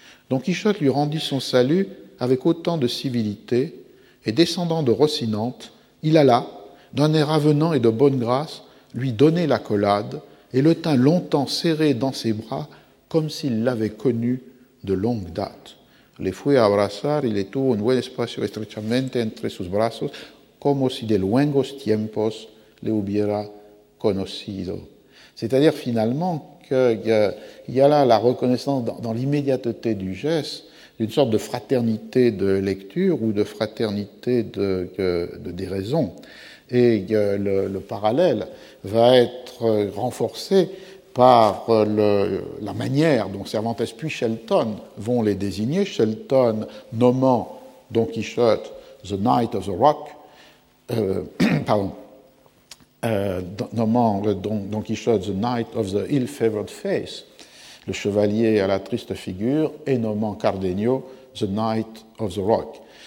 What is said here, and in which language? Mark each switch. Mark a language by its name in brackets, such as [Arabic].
[French] Don Quichotte lui rendit son salut avec autant de civilité, et descendant de Rocinante, il alla, d'un air avenant et de bonne grâce, lui donner l'accolade, et le tint longtemps serré dans ses bras, comme s'il l'avait connu de longue date. [Spanish] Le fui a abrazar y le tuvo un buen espacio estrechamente entre sus brazos, como si de luengos tiempos le hubiera conocido. [French] C'est-à-dire finalement qu'il y a là la reconnaissance dans l'immédiateté du geste d'une sorte de fraternité de lecture ou de fraternité de déraison. Et le parallèle va être renforcé par la manière dont Cervantes puis Shelton vont les désigner, Shelton nommant Don Quichotte « the Knight of the Rock Don Quichotte « [English] the Knight of the Ill-Favored Face [French] », le chevalier à la triste figure, et nommant Cardenio « [English] the Knight of the Rock ».